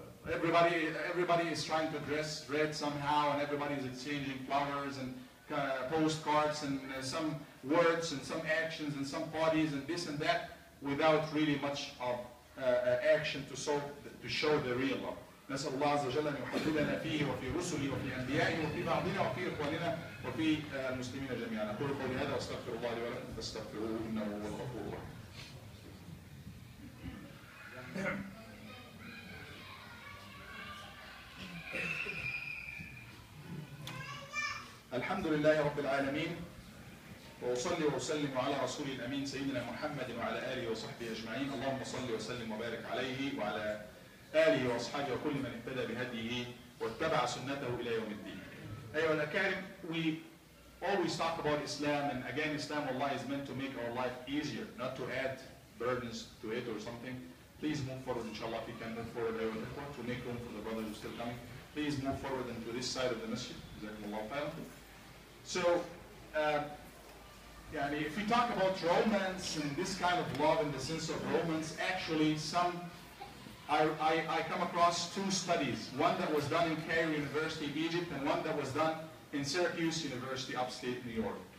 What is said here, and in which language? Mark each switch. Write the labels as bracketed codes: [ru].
[en] everybody is trying to dress red somehow, and everybody is exchanging flowers and postcards and some words and some actions and some parties and this and that, without really much of action to show the real love. [ar] نسأل الله عز وجل أن يحببنا فيه وفي رسله وفي أنبيائه وفي بعضنا وفي إخواننا وفي المسلمين جميعا. أقول قولي هذا وأستغفر الله لي ولكم فاستغفروه إنه هو الغفور الرحيم. الحمد لله رب العالمين، وأصلي وأسلم على رسول الأمين سيدنا محمد وعلى آله وصحبه أجمعين. اللهم صل وسلم وبارك عليه وعلى آله وأصحابه وكل من اهتدى بهديه واتبع سنته إلى يوم الدين. أيها الأكارم، [en] we always talk about Islam, and again Islam والله is meant to make our life easier, not to add burdens to it or something. Please move forward, inshallah, if you can move forward, [ar] أيها الأخوة, [en] to make room for the brothers who are still coming. Please move forward and to this side of the masjid. JazakAllah khair. So, يعني, if we talk about romance and this kind of love in the sense of romance, actually some I come across two studies, one that was done in Cairo University, Egypt, and one that was done in Syracuse University, upstate New York.